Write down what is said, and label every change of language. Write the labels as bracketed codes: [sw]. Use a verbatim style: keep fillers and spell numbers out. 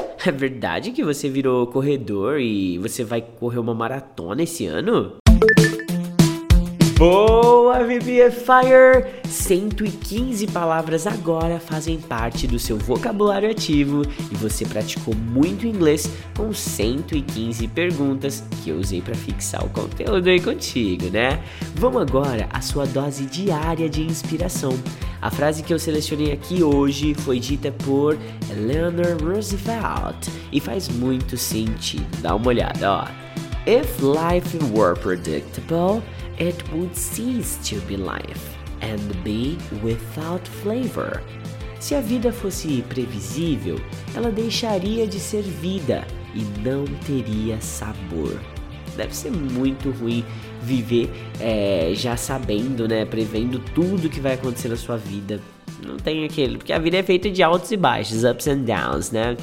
[pt] É verdade que você virou corredor e você vai correr uma maratona esse ano? Boa, V P Fire! cento e quinze palavras agora fazem parte do seu vocabulário ativo e você praticou muito inglês com cento e quinze perguntas que eu usei para fixar o conteúdo aí contigo, né? Vamos agora à sua dose diária de inspiração. A frase que eu selecionei aqui hoje foi dita por Eleanor Roosevelt e faz muito sentido. Dá uma olhada, ó. [en] If life were predictable, it would cease to be life and be without flavor. [pt] Se a vida fosse previsível, ela deixaria de ser vida e não teria sabor. Deve ser muito ruim viver é, já sabendo, né, prevendo tudo que vai acontecer na sua vida. Não tem aquele, porque a vida é feita de altos e baixos, [en] ups and downs, [pt] né?